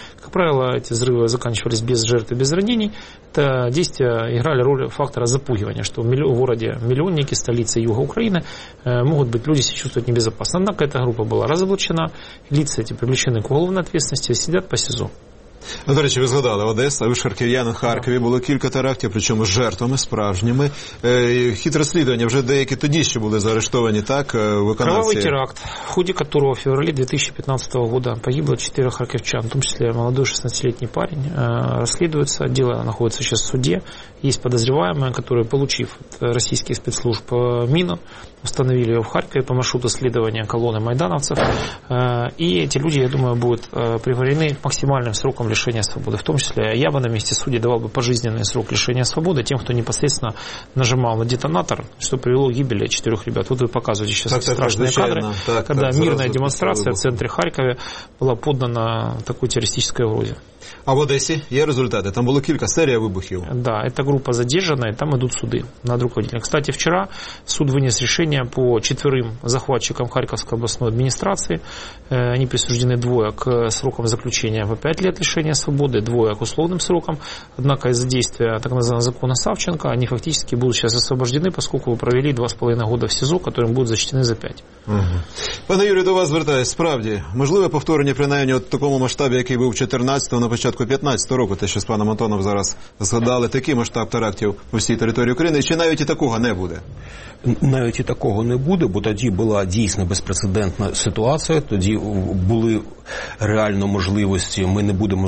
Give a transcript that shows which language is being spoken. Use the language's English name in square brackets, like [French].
[Russian] Как правило, эти взрывы заканчивались без жертв и без ранений. Это действия играли роль фактора запугивания, что в городе миллионники, столице юга Украины, могут быть люди себя чувствовать небезопасно. Однако эта группа была разоблачена, лица эти привлечены к уголовной ответственности, сидят по СИЗО. [Ukrainian] А, до речі, ви згадали Одеса, ви ж харків'янин, Харкові було кілька терактів, причому з жертвами справжніми. Хитре слідування вже деякі тоді ще були заарештовані, так, виконавці? Кровавий теракт, в ході которого в февралі 2015 року погибло 4 харківчан, в тому числі молодий 16-літній парень, розслідується, діло знаходиться зараз в суді. Є підозрюваємі, які, отримав від російських спецслужб міну, встановили його в Харкові по маршруту слідування колони майдановців. І ці люди, я думаю, будуть приговорені [Russian] максимальним сроком лишения свободы. В том числе я бы на месте судьи давал бы пожизненный срок лишения свободы тем, кто непосредственно нажимал на детонатор, что привело к гибели 4 ребят. Вот вы показываете сейчас так, эти страшные кадры, так, когда так, мирная демонстрация в центре Харькова была поддана такой террористической угрозе. А в Одессе есть результаты? Там было несколько серий выбухов. Да, эта группа задержана, и там идут суды над руководителем. Кстати, вчера суд вынес решение по четверым захватчикам Харьковской областной администрации. Они присуждены двое к срокам заключения по 5 лет лишения свободы, двое к условным срокам. Однако из-за действия так называемого закона Савченко они фактически будут сейчас освобождены, поскольку провели 2,5 года в СИЗО, которым будут защищены за 5. Угу. [Ukrainian] Пане Юрію, до вас звертаюсь. Справді, можливе повторення, принаймні, от такому масштабі, який був 14-го, на початку 15-го року, те, що з паном Антоном зараз згадали, такий масштаб терактів у всій території України, чи навіть і такого не буде? Навіть і такого не буде, бо тоді була дійсно безпрецедентна ситуація, тоді були реально можливості, ми не будемо